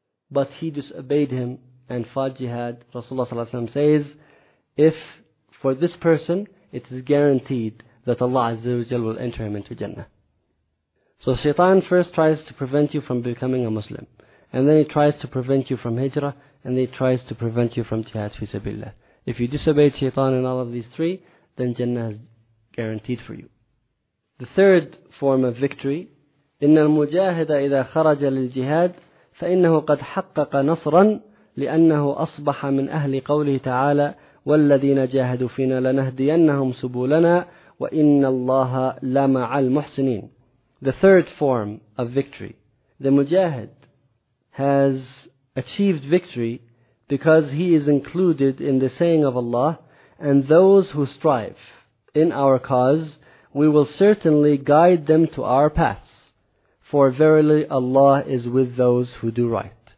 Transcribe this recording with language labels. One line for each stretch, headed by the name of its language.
English: But he disobeyed him and fought jihad. Rasulullah sallallahu alayhi wa sallam says, if for this person, it is guaranteed that Allah Azza wa Jal will enter him into Jannah. So shaitan first tries to prevent you from becoming a Muslim. And then he tries to prevent you from hijrah. And then he tries to prevent you from jihad fi sabilillah. If you disobey shaitan in all of these three, then Jannah is guaranteed for you. The third form of victory,
Arabic: إِنَّ الْمُجَاهِدَ إِذَا خَرَجَ لِلْجِهَادِ فَإِنَّهُ قَدْ حَقَّقَ نَصْرًا لِأَنَّهُ أَصْبَحَ مِنْ أَهْلِ قَوْلِهِ تَعَالَى وَالَّذِينَ جَاهَدُوا فِينَا لَنَهْدِيَنَّهُمْ سُبُولَنَا وَإِنَّ اللَّهَ لَمَعَ الْمُحْسِنِينَ.
English: The third form of victory, the mujahid has achieved victory because he is included in the saying of Allah, and those who strive in our cause, we will certainly guide them to our paths, for verily Allah is with those who do right.